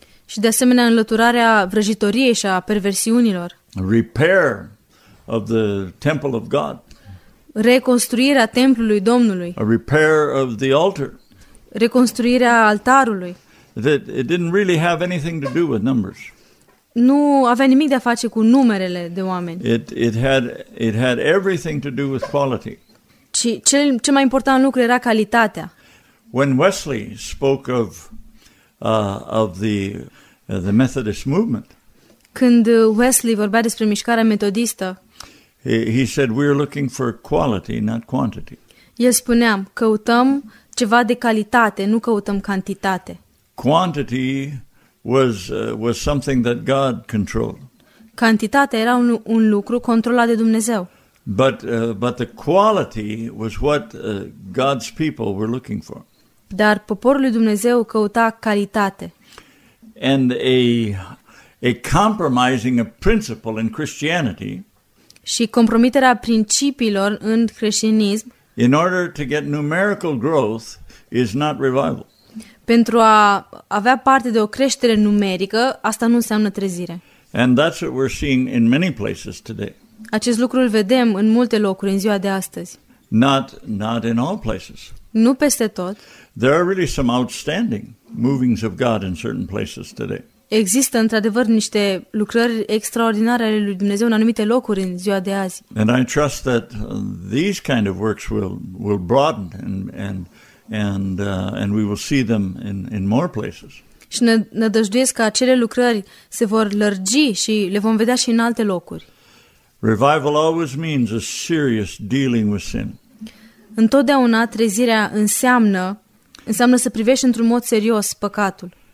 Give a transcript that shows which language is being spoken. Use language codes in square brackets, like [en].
[ro] Și de asemenea înlăturarea vrăjitoriei și a perversiunilor. [en] Repair of the temple of God. [ro] Reconstruirea templului Domnului. [en] A repair of the altar. [ro] Reconstruirea altarului. [en] That it didn't really have anything to do with numbers. [ro] Nu avea nimic de a face cu numerele de oameni. [en] It had everything to do with quality. [ro] Ci cel mai important lucru era calitatea. [en] When Wesley spoke of the Methodist movement. [ro] Când Wesley vorbea despre mișcarea metodistă. [en] He said we're looking for quality, not quantity. [ro] El spunea, căutăm ceva de calitate, nu căutăm cantitate. [en] Quantity was something that God controlled. [ro] Cantitatea era un lucru controlat de Dumnezeu. [en] But the quality was what God's people were looking for. [ro] Dar poporul lui Dumnezeu căuta calitate. [en] And a compromising a principle in Christianity. [ro] Și compromiterea principiilor în creștinism. [en] In order to get numerical growth is not revival. [ro] Pentru a avea parte de o creștere numerică, asta nu înseamnă trezire. [en] And that's what we're seeing in many places today. [ro] Acest lucru îl vedem în multe locuri în ziua de astăzi. [en] Not in all places. [ro] Nu peste tot. [en] There are really some outstanding movings of God in certain places today. [ro] Există într-adevăr niște lucrări extraordinare ale lui Dumnezeu în anumite locuri în ziua de azi. [en] And I trust that these kind of works will broaden and we will see them in more places. [ro] Și nădăjduiesc că acele lucrări se vor lărgi și le vom vedea și în alte locuri. [en] Revival always means a serious dealing with sin. [ro] Întotdeauna trezirea înseamnă să privești într-un mod serios păcatul.